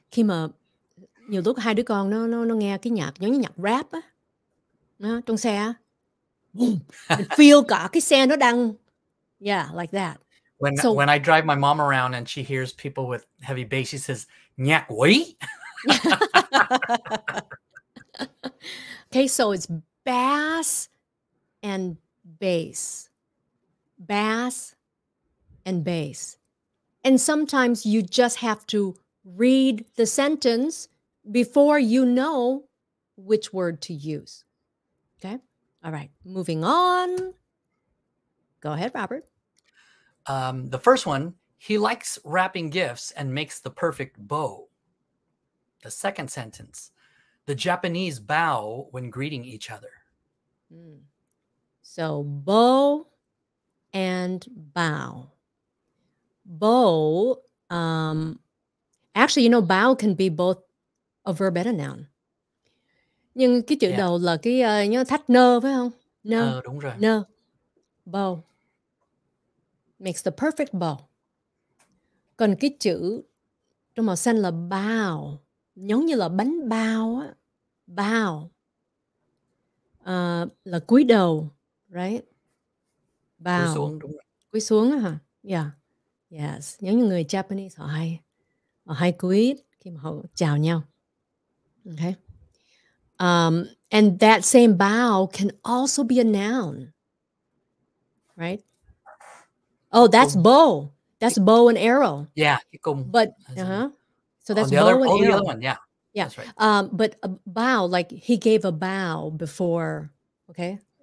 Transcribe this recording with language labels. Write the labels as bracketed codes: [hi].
[vi] Khi mà nhiều lúc hai đứa con nó nghe cái nhạc giống như nhạc rap á, nó trong xe, boom, feel cả cái xe nó đang, [en] yeah, like that. When I drive my mom around and she hears people with heavy bass, she says, [vi] nhạc quý. [en] Okay, so it's bass and bass. Bass and bass. And sometimes you just have to read the sentence before you know which word to use. Okay? All right. Moving on. Go ahead, Robert. The first one, he likes wrapping gifts and makes the perfect bow. The second sentence, the Japanese bow when greeting each other. So bow and bow. Bow, actually, you know, bow can be both a verb and a noun. [vi] Nhưng cái chữ đầu là cái thắt nơ, phải không? Nơ, đúng rồi. [en] Nơ. Bow. Makes the perfect bow. [vi] Còn cái chữ trong màu xanh là bao. Giống như là bánh bao á. Bao. Là cúi đầu, right? Bao. Cúi xuống, đúng rồi. Cúi xuống hả? Yeah. Yes, giống như người Japanese họ hay quý khi mà họ chào nhau. [en] Okay. And that same bow can also be a noun. Right? Oh, that's bow. That's bow and arrow. [vi] Yeah, cùng. [en] But So that's bow other, and arrow. The other one, yeah. Yeah. That's right. But a bow, like he gave a bow before, okay?